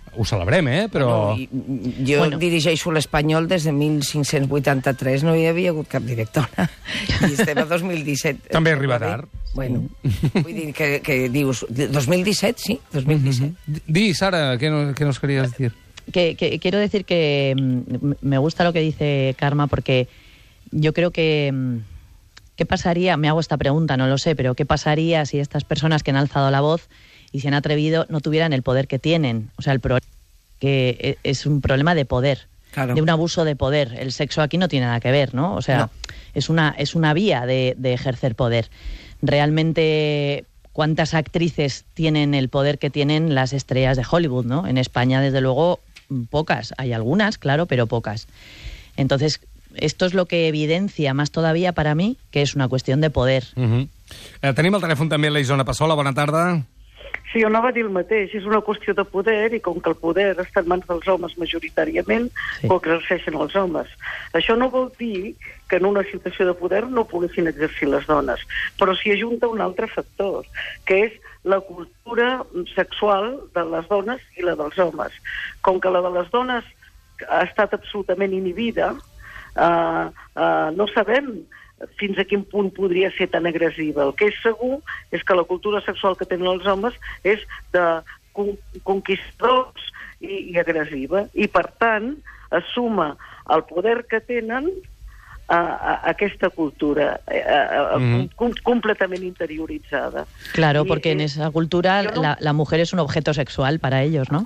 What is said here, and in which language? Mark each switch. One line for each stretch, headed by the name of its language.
Catalan: Ho celebrem, però... Bueno, jo dirigeixo l'Espanyol des de 1583, no hi havia hagut cap directora. I estem a 2017. També arriba tard. Bueno, vull dir que dius... 2017, sí, 2017.
Spanish: Di, Sara, què nos querías dir? Que quiero decir que me gusta lo que dice Karma, porque yo creo que... ¿Qué pasaría? Me hago esta pregunta, no lo sé, pero ¿qué pasaría si estas personas que han alzado la voz y se han atrevido no tuvieran el poder que tienen? O sea, el problema que es un problema de poder, claro. De un abuso de poder. El sexo aquí no tiene nada que ver, ¿no? O sea, no. Es una vía de ejercer poder. Realmente, ¿cuántas actrices tienen el poder que tienen las estrellas de Hollywood, ¿no? En España, desde luego, pocas. Hay algunas, claro, pero pocas. Entonces, esto es lo que evidencia más todavía para mí que es una cuestión de poder. Uh-huh.
Catalan: Tenim el telèfon també a la Isona Passola. Bona tarda. Sí, jo anava a dir el mateix. És una qüestió de poder i com que el poder està en mans dels homes majoritàriament, sí. Ho exerceixen els homes. Això no vol dir que en una situació de poder no poguessin exercir les dones, però s'hi ajunta un altre factor, que és la cultura sexual de les dones i la dels homes. Com que la de les dones ha estat absolutament inhibida, no sabem fins a quin punt podria ser tan agressiva. El que és segur és que la cultura sexual que tenen els homes és de conquistadors i agressiva, i per tant es suma el poder que tenen aquesta cultura completament interioritzada.
Spanish: Claro, porque en esa cultura la mujer es un objeto sexual para ellos, ¿no?